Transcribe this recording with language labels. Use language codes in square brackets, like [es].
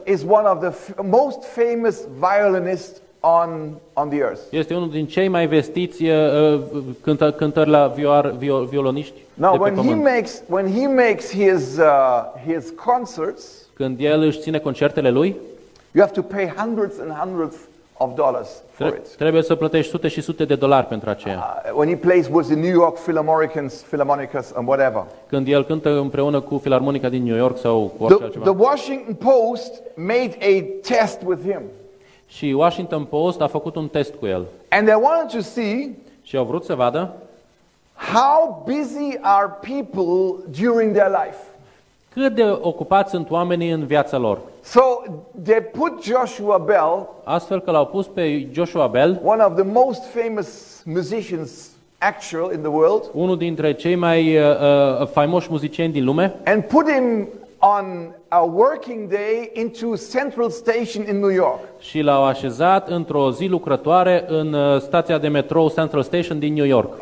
[en] is one of the most famous violinists on the earth. [ro] Este unul din cei mai vestiți cântări la violoniști de pe pământ. [en] Now when he makes his concerts, [ro] când el își ține concertele lui, [en] you have to pay hundreds and hundreds of dollars for it. [ro] Trebuie să plătești sute și sute de dolari pentru aceea. [en] When he plays with the New York Philharmonicus and whatever. [ro] Când el cântă împreună cu Filarmonica din New York sau cu orice altceva. [en] The Washington Post made a test with him. [ro] Și Washington Post a făcut un test cu el. [en] And they wanted to see, [ro] și au vrut să vadă, [en] how busy are people during their life. [ro] Cât de ocupați sunt oamenii în viața lor. [en] So they put Joshua Bell, [ro] astfel că l-au pus pe Joshua Bell, [en] one of the most famous musicians actual in the world, [ro] unul dintre cei mai faimoși muzicieni din lume, [en] and put him on a working day into Central Station in New York. [ro] Și l-au așezat într-o zi lucrătoare în stația de metrou Central Station din New York.